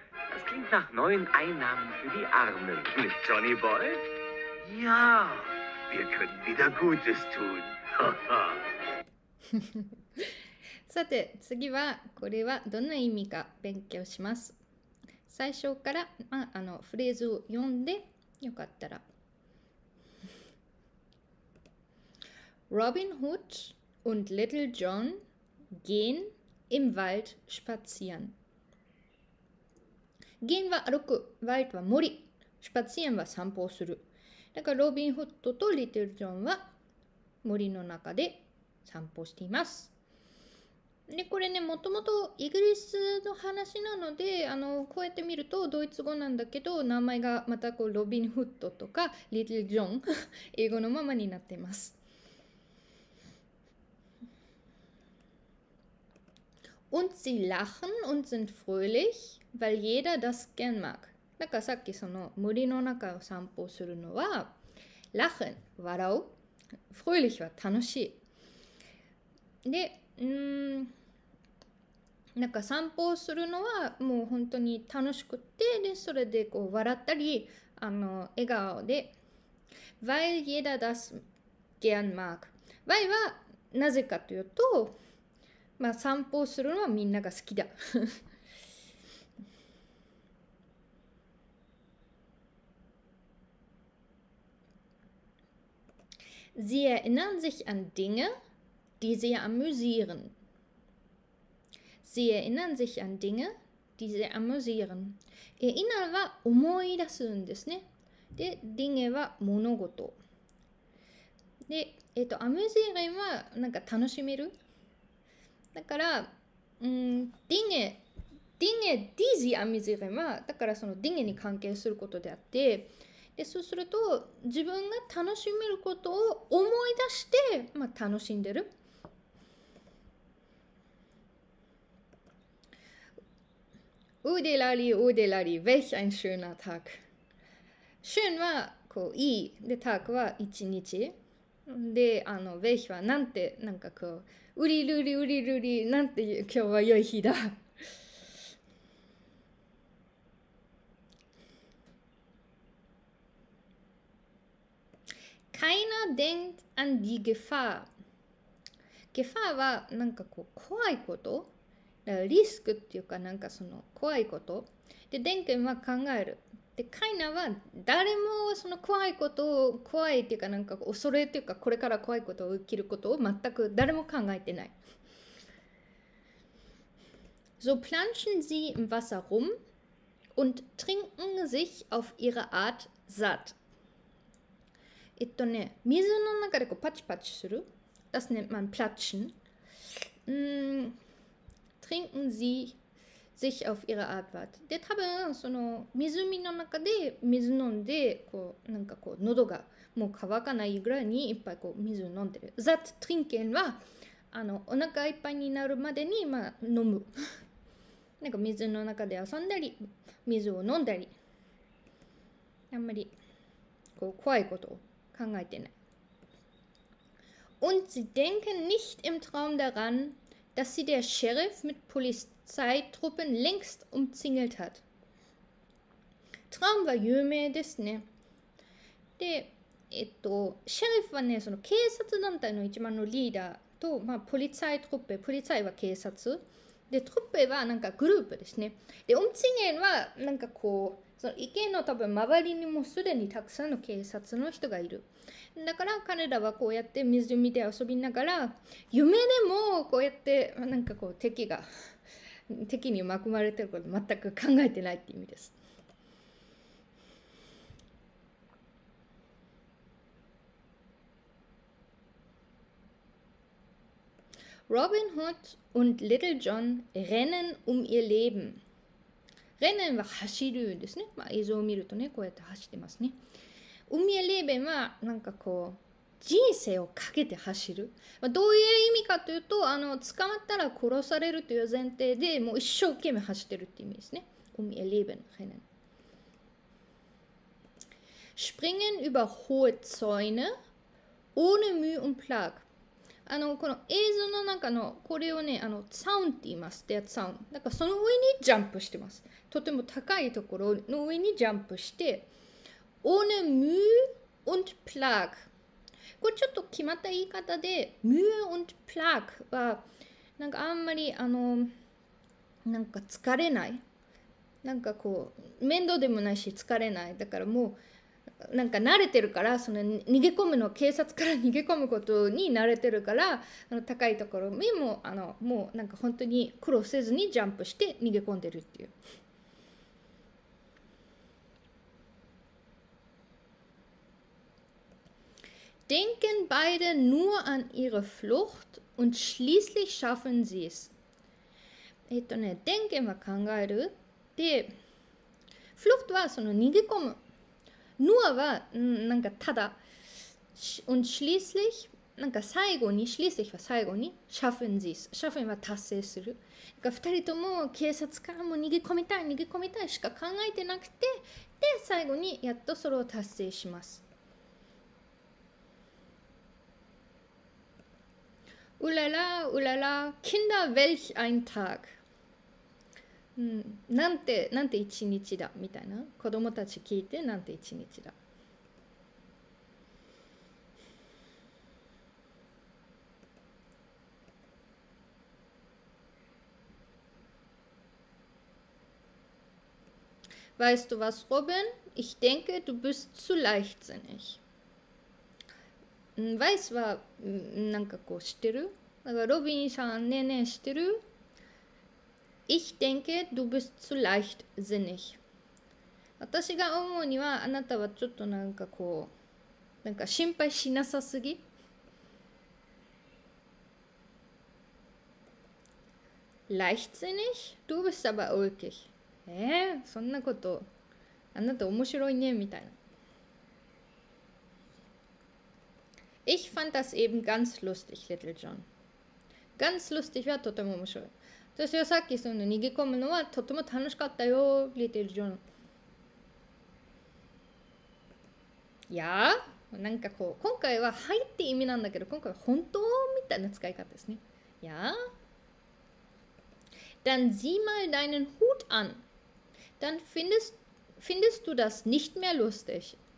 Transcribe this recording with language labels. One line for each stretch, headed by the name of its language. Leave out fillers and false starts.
German: Das klingt nach neuen Einnahmen für die Armen, nicht, Johnny Boy? Ja, wir können wieder Gutes tun.
Japanese: さて、次はこれはどんな意味か勉強します。最初から、フレーズを読んで、よかったら。
German: Robin Hood und Little John gehen im Wald spazieren.
Japanese: ゲンは歩く、ワイトは森、スパツィエンは散歩をする。だからロビンフッドとリトルジョンは森の中で散歩しています。で、これね、もともとイギリスの話なので、こうやって見るとドイツ語なんだけど、名前がまたこうロビンフッドとかリトルジョン、英語のままになっています。
German: Und sie lachen und sind fröhlich, weil jeder das gern mag.
Japanese: だからさっきその森の中を散歩するのは、lachen、笑う、fröhlich は楽しい。で、なんか散歩するのはもう本当に楽しくて、でそれでこう笑ったり、笑顔で、
German: weil jeder das gern mag。
Japanese: weil はなぜかというと、まあ、散歩するのはみんなが好きだ。
German: Sie erinnern sich an Dinge, die sie amüsieren. Sie erinnern sich an Dinge, die sie amüsieren.
Japanese: Erinnern は思い出すんですね。で、Dinge は物事。で、amüsieren はなんか楽しめる。だから、
German: dinge die sie amüsieren
Japanese: は、だからその dinge に関係することであって、で、そうすると、自分が楽しめることを思い出して、まあ、楽しんでる。
German: うでらり、うでらり、welch ein schöner Tag。
Japanese: schön は、こう、いい。で、Tag は、一日。で、welch は、なんて、なんかこう、ウリルリウリルリなんて今日は良い日だ。
German: keiner denkt an die Gefahr.
Japanese: Gefahr はなんかこう怖いこと、リスクっていうかなんかその怖いこと。で、denken は考える。で、keiner は誰もその怖いことを、怖いっていうかなんか恐れっていうかこれから怖いことを起きることを全く誰も考えてない。
German: So planschen sie im Wasser rum und trinken sich auf ihre Art satt.
Japanese: 水の中でこうパチパチする。
German: Das nennt man platschen. Trinken sie sich auf ihre Art satt.
Japanese: で、多分その湖の中で水飲んで、こうなんかこう喉がもう乾かないぐらいにいっぱいこう水飲んでる。 Satt trinken はあのお腹いっぱいになるまでにまあ飲む。なんか水の中で遊んだり、水を飲んだり、あんまりこう怖いことを考えてない。
German: Und sie denken nicht im Traum daran, dass sie der Sheriff mit Polizeitruppen längst umzingelt hat.
Japanese: Traum war 有名ですね。で、シェリフはね、その警察団体の一番のリーダーと、まあ、Polizeitruppe、ポリサイは警察。で、トップはなんかグループですね。で、オンチゲンはなんかこう、その池の多分周りにもすでにたくさんの警察の人がいる。だから彼らはこうやって湖で遊びながら、夢でもこうやってなんかこう敵が、敵に巻まれてること全く考えてないって意味です。
German: Robin Hood und Little John rennen um ihr Leben.
Japanese: Rennen は走るんですね。まあ、映像を見るとね、こうやって走ってますね。
German: Um ihr Leben
Japanese: はなんかこう人生をかけて走る。まあ、どういう意味かというと、あの捕まったら殺されるという前提で、もう一生懸命走ってるって意味ですね。
German: Um ihr Leben rennen. Springen über hohe Zäune ohne Mühe und Plag.
Japanese: あのこの映像の中のこれをね、あのサウンって言います。でサウンだからその上にジャンプしてます。とても高いところの上にジャンプして、
German: ohne Mühe und Plag、
Japanese: これちょっと決まった言い方で、 Mühe und Plag はなんかあんまりあのなんか疲れない、なんかこう面倒でもないし疲れない、だからもうなんか慣れてるから、その逃げ込むの、警察から逃げ込むことに慣れてるから、あの高いところにもあのもうなんか本当に苦労せずにジャンプして逃げ込んでるっていう。
German: Denken beide nur an ihre Flucht und schließlich schaffen sie es。
Japanese: denken は考える。で、Flucht はその逃げ込む。ノアはなんかただ、
German: und schließlich、
Japanese: なんか最後に、schließlich は最後に、
German: schaffen sie es、
Japanese: schaffen は達成する。なんか二人とも警察からも逃げ込みたい、逃げ込みたいしか考えてなくて、で、最後にやっとそれを達成します。
German: うらら、うらら、Kinder, welch ein Tag!
Japanese: なんて一日だみたいな、子供たち聞いてなんて一日だ。
German: Weißt du was, Robin? Ich denke, du bist zu leichtsinnig.
Japanese: Weiß はなんかこう知ってる。だからロビンさんねえねえ知ってる。
German: Ich denke, du bist zu leichtsinnig.
Japanese: 私が思うにはあなたはちょっとなんかこうなんか心配しなさすぎ。
German: Leichtsinnig? Du bist aber ulkig.
Japanese: そんなこと、あなた面白いねみたいな。
German: Ich fand das eben ganz lustig, Little John.
Japanese: Ganz lustig はとても面白い。私はさっきその逃げ込むのはとても楽しかったよ、リテルジョン。いやー、なんかこう、今回ははいって意味なんだけど、今回は本当みたいな使い方ですね。いやー。
German: Dann sieh mal deinen Hut an. Dann findest du das nicht mehr lustig.